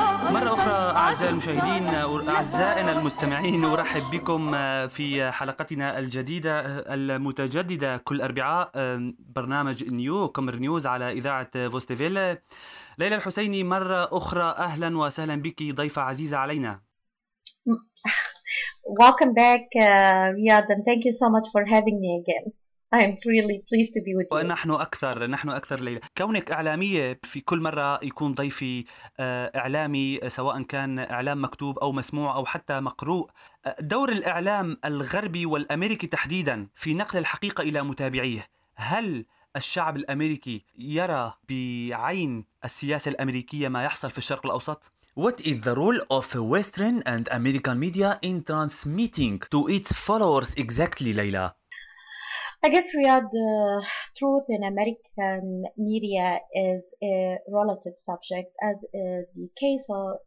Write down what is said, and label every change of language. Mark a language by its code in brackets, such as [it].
[ar] مرة أخرى أعزائي المشاهدين أعزائنا المستمعين أرحب بكم في حلقتنا الجديدة المتجددة كل أربعاء برنامج نيو كومر نيوز على إذاعة فوستيفيل ليلى الحسيني مرة أخرى أهلا وسهلا بك ضيفة عزيزة علينا [en] Welcome back Riyad and thank you so much for having me again I'm really pleased to be with you. [ar] نحن أكثر ليلى. كونك إعلامية في كل مرة يكون ضيفي إعلامي سواء كان إعلام مكتوب أو مسموع أو حتى مقروء. دور الإعلام الغربي والأمريكي تحديدا في نقل الحقيقة إلى متابعيه. هل الشعب الأمريكي يرى بعين السياسة الأمريكية ما يحصل في الشرق الأوسط؟ [en] What is the role of Western and American media in transmitting to its followers exactly, ليلى؟ I guess, Riyad, truth in American media is a relative subject, as the case of